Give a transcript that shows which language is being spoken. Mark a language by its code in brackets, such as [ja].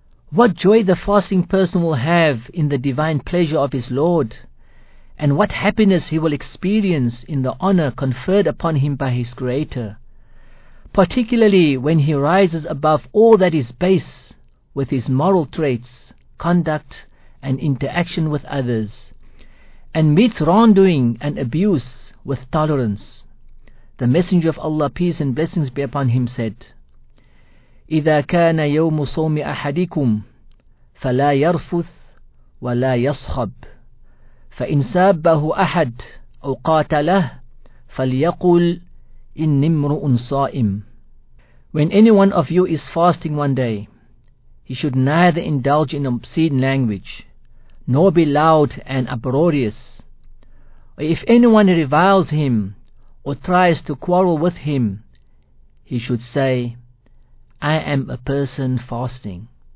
[en] What joy the fasting person will have in the divine pleasure of his Lord, and what happiness he will experience in the honor conferred upon him by his Creator, particularly when he rises above all that is base with his moral traits, conduct and interaction with others, and meets wrongdoing and abuse with tolerance. The Messenger of Allah, peace and blessings be upon him, said, [ar] إِذَا كَانَ يَوْمُ صَوْمِ أَحَدِكُمْ فَلَا يَرْفُثْ وَلَا يَصْخَبْ فَإِنْ سَابَّهُ أَحَدْ أَوْ قَاتَلَهْ فَلْيَقُلْ إِنِّي امْرُؤٌ صَائِمٌ. [en] When anyone of you is fasting one day, he should neither indulge in obscene language, nor be loud and uproarious. If anyone reviles him or tries to quarrel with him, he should say, I am a person fasting.